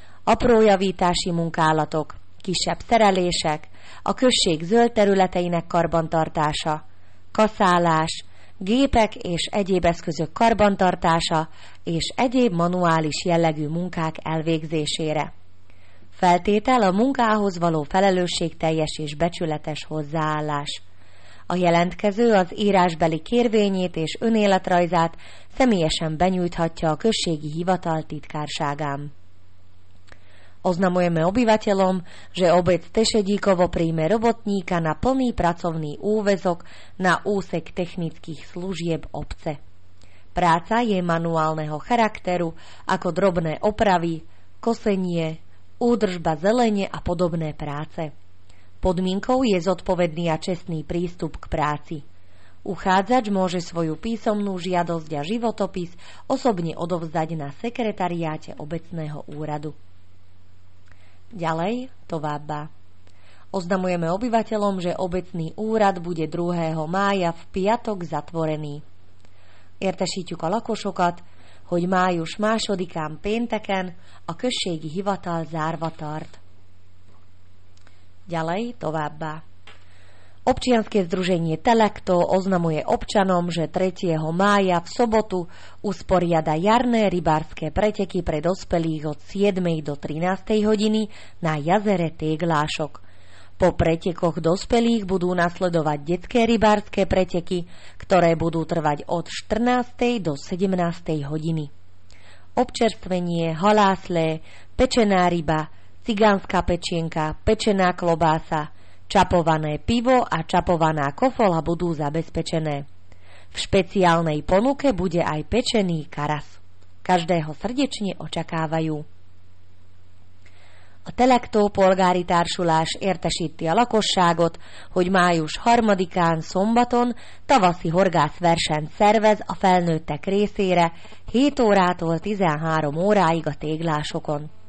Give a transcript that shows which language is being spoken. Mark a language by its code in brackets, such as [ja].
[hu] Apró javítási munkálatok, kisebb szerelések, a község zöld területeinek karbantartása, kaszálás, gépek és egyéb eszközök karbantartása és egyéb manuális jellegű munkák elvégzésére. Feltétel a munkához való felelősségteljes és becsületes hozzáállás. A jelentkező az írásbeli kérvényét és önéletrajzát személyesen benyújthatja a községi hivatal titkárságán. [sk] Oznamujeme obyvateľom, že obec Tešedíkovo príjme robotníka na plný pracovný úväzok na úsek technických služieb obce. Práca je manuálneho charakteru, ako drobné opravy, kosenie, údržba zelene a podobné práce. Podmienkou je zodpovedný a čestný prístup k práci. Uchádzač môže svoju písomnú žiadosť a životopis osobne odovzdať na sekretariáte obecného úradu. Ďalej, [hu] továbbá. [sk] Oznamujeme obyvateľom, že obecný úrad bude 2. mája v piatok zatvorený. [hu] Értesítjük a lakosokat, hogy május 2-án pénteken a községi hivatal zárva tart. [sk] Ďalej, [hu] továbbá. [sk] Občianske združenie Telekto oznamuje občanom, že 3. mája v sobotu usporiada jarné rybárske preteky pre dospelých od 7. do 13. hodiny na jazere Téglások. Po pretekoch dospelých budú nasledovať detské rybárske preteky, ktoré budú trvať od 14. do 17. hodiny. Občerstvenie, haláslé, pečená ryba, cigánska pečienka, pečená klobása, čapované pivo a čapovaná kofola budú zabezpečené. V špeciálnej ponuke bude aj pečený karas. Každého srdečne očakávajú. [hu] A Telektó polgári társulás értesíti a lakosságot, hogy május 3-án szombaton tavaszi horgászversenyt szervez a felnőttek részére 7 órától 13 óráig a téglásokon.